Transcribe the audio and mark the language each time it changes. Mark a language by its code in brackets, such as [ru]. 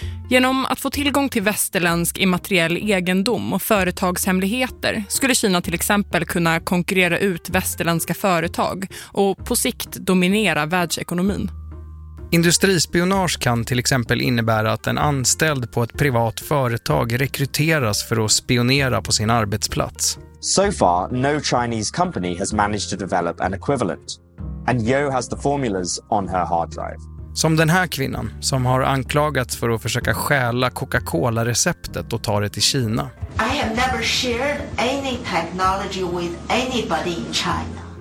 [sv] Genom att få tillgång till västerländsk immateriell egendom och företagshemligheter skulle Kina till exempel kunna konkurrera ut västerländska företag och på sikt dominera världsekonomin. Industrispionage kan till exempel innebära att en anställd på ett privat företag rekryteras för att spionera på sin arbetsplats. [en] So far, no Chinese company has managed to develop an equivalent. And Yeo has the formulas on her hard drive. [sv] Som den här kvinnan som har anklagats för att försöka stjäla Coca-Cola-receptet och ta det till Kina. [en] I have never shared any technology with anybody in China.